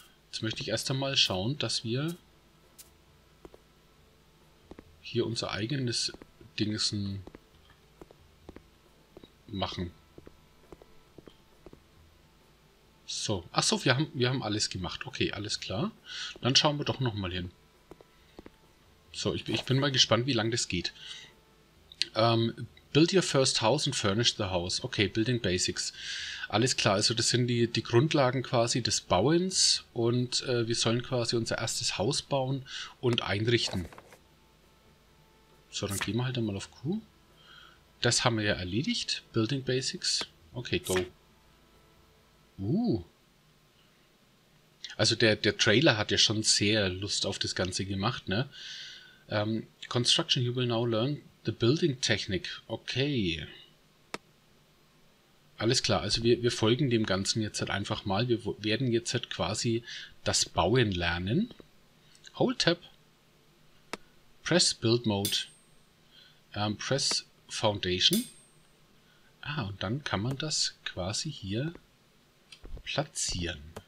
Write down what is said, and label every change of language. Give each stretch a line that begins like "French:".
German: Jetzt möchte ich erst einmal schauen, dass wir hier unser eigenes Dingsen machen. So, ach so, wir haben alles gemacht. Okay, alles klar. Dann schauen wir doch nochmal hin. So, ich bin mal gespannt, wie lange das geht.
English: Build your first house and furnish the house. Okay, Building Basics.
German: Alles klar, also das sind die Grundlagen quasi des Bauens und wir sollen quasi unser erstes Haus bauen und einrichten. So, dann gehen wir halt einmal auf Q. Das haben wir ja erledigt. Building Basics.
English: Okay, go.
German: Also der Trailer hat ja schon sehr Lust auf das Ganze gemacht, ne?
English: Construction, you will now learn the building technique. Okay.
German: Alles klar, also wir folgen dem Ganzen jetzt halt einfach mal. Wir werden jetzt halt quasi das Bauen lernen.
English: Hold tab. Press Build Mode. Press Foundation.
German: Ah, und dann kann man das quasi hier platzieren.